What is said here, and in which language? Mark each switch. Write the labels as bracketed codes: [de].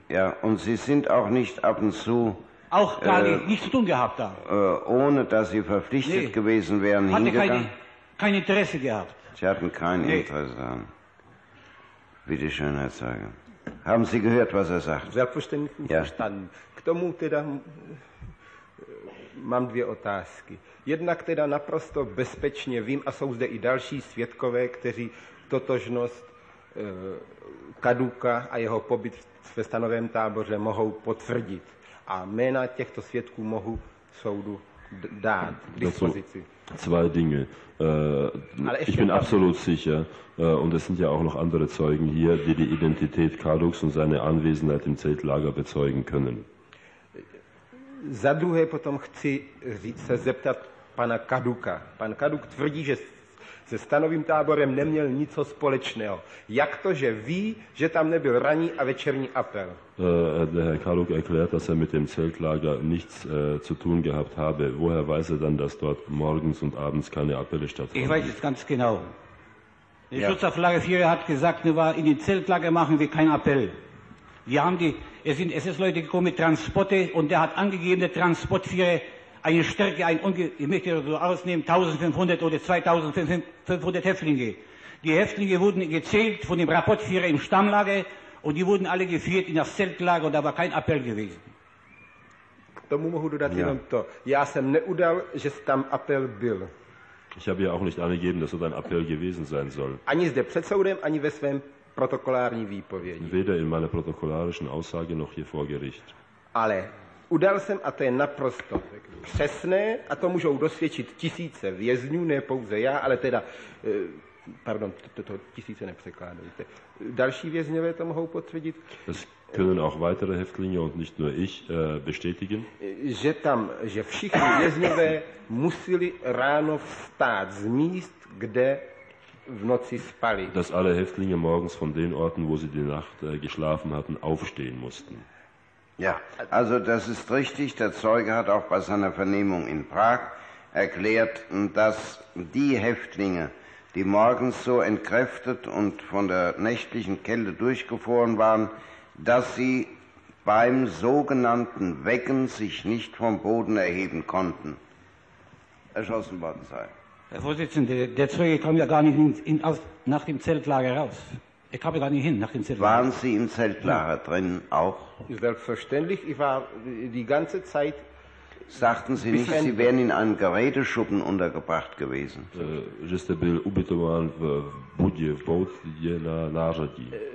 [de] Ja, und Sie sind auch nicht ab und zu... Auch gar nichts zu tun gehabt da. Ohne, dass Sie verpflichtet gewesen wären, hatte hingegangen? Kein Interesse gehabt. Sie hatten kein Interesse an. Bitte schön, Herr Zeuge. Haben Sie gehört, was er sagt? Selbstverständlich nicht verstanden. [cs] K tomu teda mám dvě otázky. Jednak teda naprosto bezpečně vím, a jsou zde i další svědkové, kteří totožnost Kaduka a jeho pobyt ve stanovém táboře mohou potvrdit. A jména těchto svědků mohu soudu dát k dispozici. [de] Zwei Dinge. Ich bin absolut sicher, und es sind ja auch noch andere Zeugen hier, die die Identität Kaduks und seine Anwesenheit im Zeltlager bezeugen können. [cs] Za druhé potom chci se zeptat pana Kaduka. Pan Kaduk tvrdí, že se stanovým táborem neměl nic společného. Jak to, že ví, že tam nebyl ranní a večerní apel? [de] Der Herr Kaluk erklärt, dass er mit dem Zeltlager nichts zu tun gehabt habe. Woher weiß er dann, dass dort morgens und abends keine Appelle stattfinden? Ich weiß es ganz genau. Der Schutzauflage-Führer hat gesagt, in den Zeltlager machen wir keinen Appell. Wir haben die, es sind SS-Leute gekommen mit Transporte und der hat angegeben, der Transportführer eine Stärke, ich möchte das so ausnehmen, 1500 oder 2500 Häftlinge. Die Häftlinge wurden gezählt von dem Rapportführer im Stammlager. Und die wurden alle geführt in das Zeltlager und da war kein Appell gewesen. [cs] K tomu mohu dodat jenom to. Já jsem neudal, že tam Appell byl. [de] Ich habe ja auch nicht angegeben, dass dort ein Appell gewesen sein soll. [cs] Ani zde před soudem, ani ve svém protokolární výpovědi. [de] Weder in meiner protokolarischen Aussage noch hier vor Gericht. [cs] Ale udal jsem, a to je naprosto přesné, a to můžou dosvědčit tisíce vězňů, ne pouze já, ale teda... Pardon, to tisíce nepřekládejte. Další vězňové to mohou potvrdit. [de] Es können auch weitere Häftlinge und nicht nur ich bestätigen. [cs] Že všichni vězňové museli ráno vstát z míst, kde v noci spali. [de] Dass alle Häftlinge morgens von den Orten, wo sie die Nacht geschlafen hatten, aufstehen mussten. Ja, also das ist richtig. Der Zeuge hat auch bei seiner Vernehmung in Prag erklärt, dass die Häftlinge, die morgens so entkräftet und von der nächtlichen Kälte durchgefroren waren, dass sie beim sogenannten Wecken sich nicht vom Boden erheben konnten, erschossen worden seien. Herr Vorsitzender, der Zeuge kam ja gar nicht nach dem Zeltlager raus. Er kam ja gar nicht hin nach dem Zeltlager. Waren Sie im Zeltlager drin auch? Selbstverständlich, ich war die ganze Zeit... Sagten Sie nicht, Sie wären in einem Geräteschuppen untergebracht gewesen? [cs] Že jste byl ubytován v budě, v boudě na nářadí.